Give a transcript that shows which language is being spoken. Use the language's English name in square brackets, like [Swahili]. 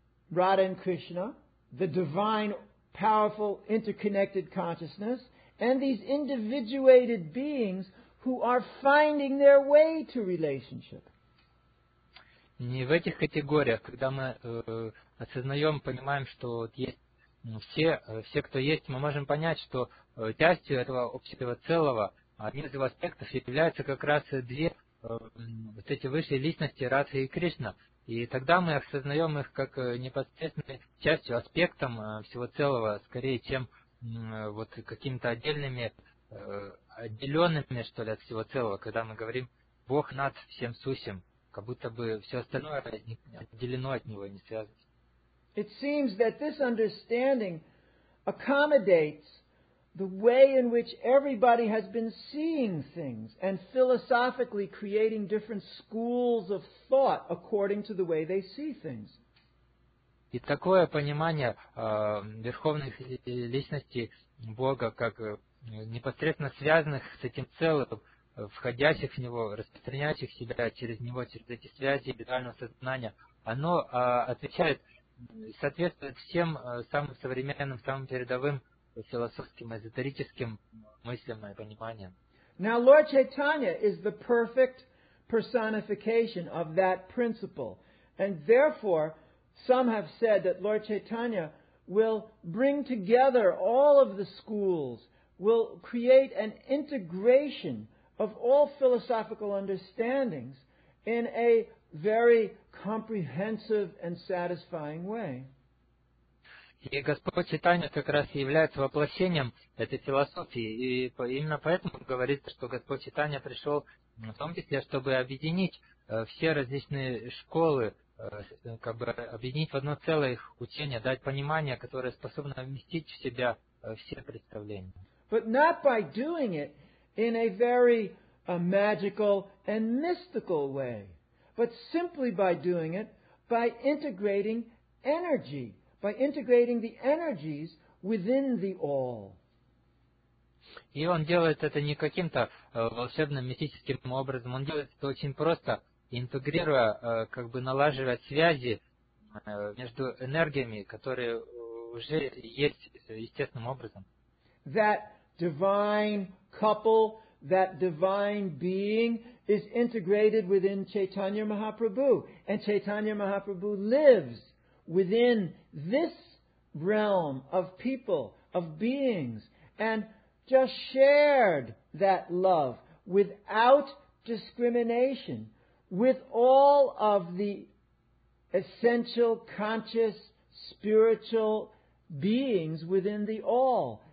[English] Radha and Krishna, the divine, powerful, interconnected consciousness, and these individuated beings who are finding their way to relationship. [Russian] Не в этих категориях, когда мы осознаем, понимаем, что вот есть все, кто есть, мы можем понять, что частью этого общего целого, одним из его аспектов являются как раз две вот эти высшие личности, Радха и Кришна. И тогда мы осознаем их как непосредственной частью, аспектом всего целого, скорее, чем вот какими-то отделенными, что ли, от всего целого, когда мы говорим «Бог над всем сущим». Как будто бы все остальное отделено от него, не связано. [English] It seems that this understanding accommodates the way in which everybody has been seeing things and philosophically creating different schools of thought according to the way they see things. [Russian] И такое понимание верховных личностей Бога как непосредственно связанных с этим целым, входящих в него, распространяющих себя через него, через эти связи индивидуального сознания, оно отвечает, соответствует всем самым современным, самым передовым философским, эзотерическим мыслям и пониманиям. [English] Now, Lord Chaitanya is the perfect personification of that principle. And therefore, some have said that Lord Chaitanya will bring together all of the schools, will create an integration of all philosophical understandings in a very comprehensive and satisfying way. [Russian] И Господь Чайтанья как раз является воплощением этой философии, и именно поэтому говорится, что Господь Чайтанья пришел в том числе, чтобы объединить все различные школы, как бы объединить в одно целое их учение, дать понимание, которое способно вместить в себя все представления. [English] But not by doing it in a very magical and mystical way, but simply by doing it, by integrating energy, by integrating the energies within the all. [Russian] И он делает это не каким-то волшебным, мистическим образом, он делает это очень просто, интегрируя, как бы налаживая связи между энергиями, которые уже есть естественным образом. [English] That divine couple, that divine being is integrated within Chaitanya Mahaprabhu. And Chaitanya Mahaprabhu lives within this realm of people, of beings, and just shared that love without discrimination with all of the essential, conscious, spiritual beings within the all.